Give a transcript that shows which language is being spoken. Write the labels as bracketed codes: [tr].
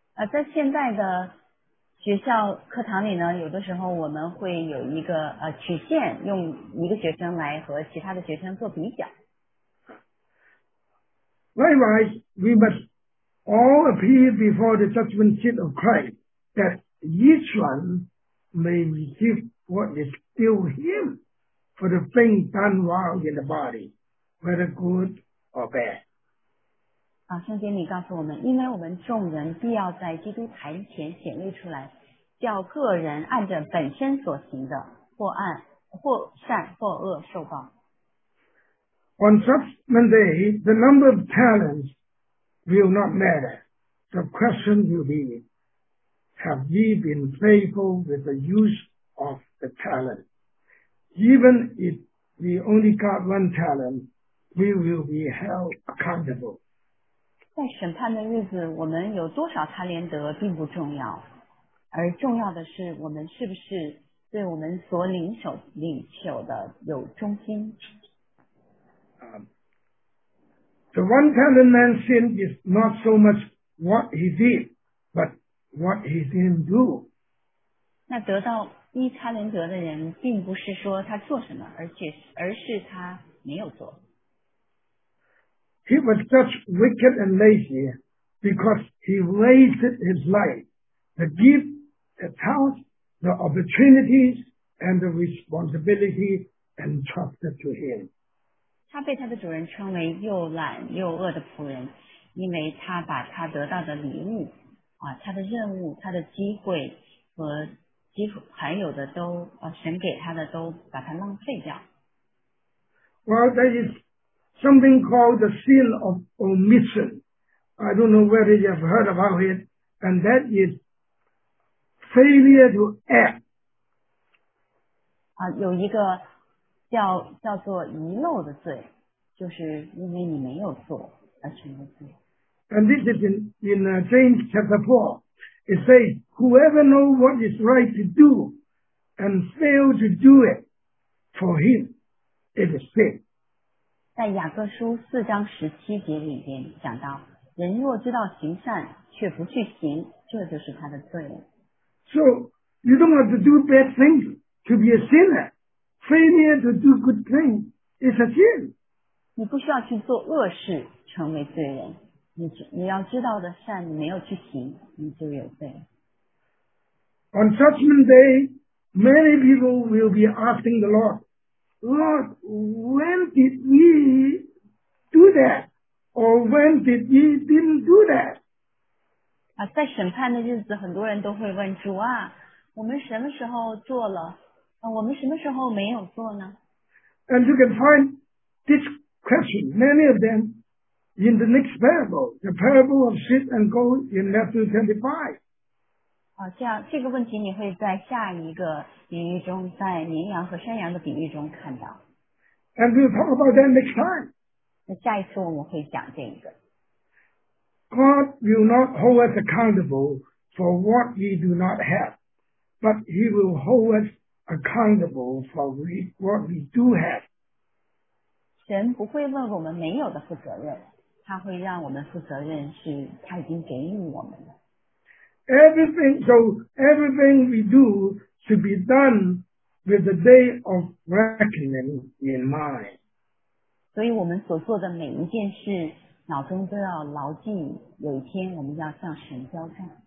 [zh] 在现在的学校课堂里呢，有的时候我们会有一个曲线，用一个学生来和其他的学生做比较。 [en] Likewise, we must all appear before the judgment seat of Christ, that each one may receive what is due him. For the thing done wrong in the body, whether good or bad. [zh] 圣经里告诉我们，因为我们众人必要在基督台前显露出来，叫个人按着本身所行的，或善或恶受报。 [en] On judgment day, the number of talents will not matter. The question will be, have ye been faithful with the use of the talent? Even if we only got 1 talent, we will be held accountable. [zh] 在审判的日子，我们有多少他连德并不重要，而重要的是我们是不是对我们所领受的有忠心。 [en] The 1 talent man sin is not so much what he did, but what he didn't do. [zh] 那得到一他连德的人并不是说他做什么，而是他没有做。 [en] He was just wicked and lazy because he wasted his life, the gift, the talents, the opportunities, and the responsibility entrusted to him. [zh] 他被他的主人称为又懒又恶的仆人，因为他把他得到的礼物、啊、他的任务、他的机会和几乎还有的都、啊、神给他的都把他浪费掉。 [en] Well, there is something called the sin of omission. I don't know whether you have heard about it, and that is failure to act. [zh] 有一个叫做遗漏的罪，就是因为你没有做而成了罪。 [en] And this is in James chapter 4. It says, whoever know what is right to do and fail to do it, for him, it is sin. [zh] 在雅各书四章十七节里边讲到，人若知道行善却不去行，这就是他的罪。 [en] So, you don't have to do bad things. To be a sinner, failure to do good things is a sin. [zh] 你不需要去做恶事成为罪人。你要知道的善你没有去行，你就有罪。 [en] On Judgment Day, many people will be asking the Lord, Lord, when did we do that? Or when did we didn't do that? [zh] 在审判的日子，很多人都会问主啊，我们什么时候做了？我们什么时候没有做呢？ [en] And you can find this question, many of them, in the next parable, the parable of sheep and goat in Matthew 25. [zh] 这个问题你会在下一个比喻中，在绵羊和山羊的比喻中看到。 [en] And we'll talk about that next time. [zh] 那下一次我们会讲这个。 [en] God will not hold us accountable for what we do not have, but he will hold usaccountable for what we do have. [zh] 神不会问我们没有的负责任，他会让我们负责任是他已经给予我们的。 [en] Everything we do should be done with the day of reckoning in mind. [zh] 所以我们所做的每一件事，脑中都要牢记，有一天我们要向神交账。